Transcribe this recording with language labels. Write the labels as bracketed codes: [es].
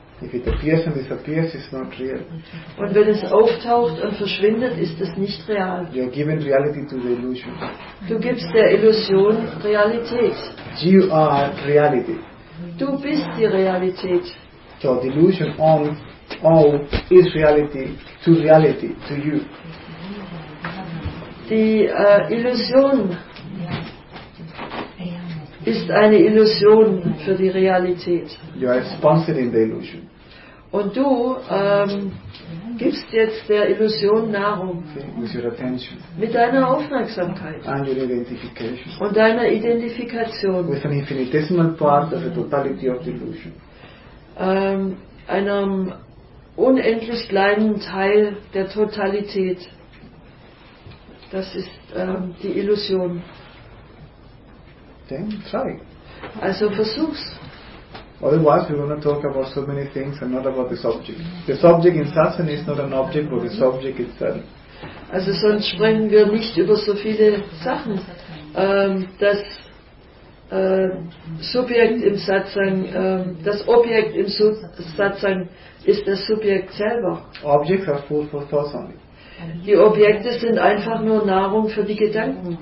[en] If it appears and disappears, it's not real. [de] Und wenn es auftaucht und verschwindet, ist es nicht real. [en] You are giving reality to the illusion. [de] Du gibst der Illusion Realität. [en] You are reality. [de] Du bist die Realität. [en] So the illusion on all is reality to you. [de] Die Illusion ist eine Illusion für die Realität. [en] You are sponsoring the illusion. [de] Und du gibst jetzt der Illusion Nahrung. [en] With your attention. [de] Mit deiner Aufmerksamkeit. [en] And your identification. [de] Und deiner Identifikation. [en] With an infinitesimal part of the totality of the illusion. [de] Einem unendlich kleinen Teil der Totalität. Das ist die Illusion. [en] Then try. [de] Also versuch's. [en] Otherwise we're going to talk about so many things and not about the subject. The subject in Satsang is not an object, but the subject itself. [de] Also sonst sprechen wir nicht über so viele Sachen. Das Subjekt im Satsang, das Objekt im Satsang ist das Subjekt selber. [en] Objects are food for thoughts only. [de] Die Objekte sind einfach nur Nahrung für die Gedanken.